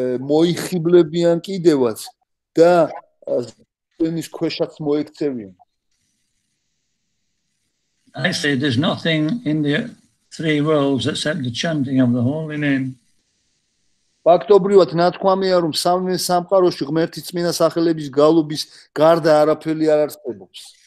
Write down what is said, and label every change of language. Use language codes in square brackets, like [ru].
[ka] მოიხიბლებიან კიდევაც და ზენის ქვეშაც მოექცევიან. [en] I say there's nothing in the three worlds except the chanting of the holy name. [ka] ფაქტობრივად ნათქვამია, რომ სამი სამყაროში ღმერთი წმინდა სახელების გალობის გარდა არაფერი არ არსებობს.